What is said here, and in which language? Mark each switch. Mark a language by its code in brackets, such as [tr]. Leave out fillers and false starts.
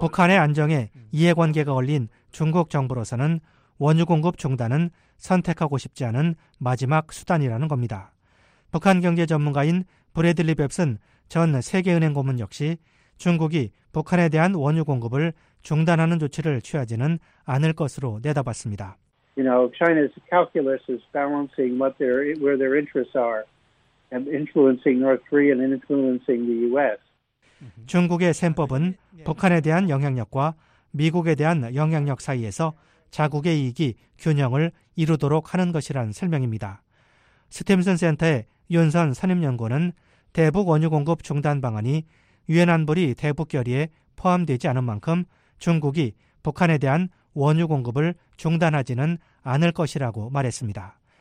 [ko] 북한의 안정에 이해관계가 걸린 중국 정부로서는 원유 공급 중단은 선택하고 싶지 않은 마지막 수단이라는 겁니다. 북한 경제 전문가인 브래들리 뱁슨 전 세계은행 고문 역시 중국이 북한에 대한 원유 공급을 중단하는 조치를 취하지는 않을 것으로 내다봤습니다. [en] You know, China's calculus is balancing where their interests are and influencing North Korea and influencing the U.S. [ko] 중국의 셈법은 북한에 대한 영향력과 미국에 대한 영향력 사이에서 자국의 이익이 균형을 이루도록 하는 것이란 설명입니다. 스팀슨 센터의 윤선 선임연구원은 대북 원유 공급 중단 방안이 유엔 안보리 대북 결의에 포함되지 않은 만큼 중국이 북한에 대한 원유 공급을 중단하지는 않을 것이라고 말했습니다.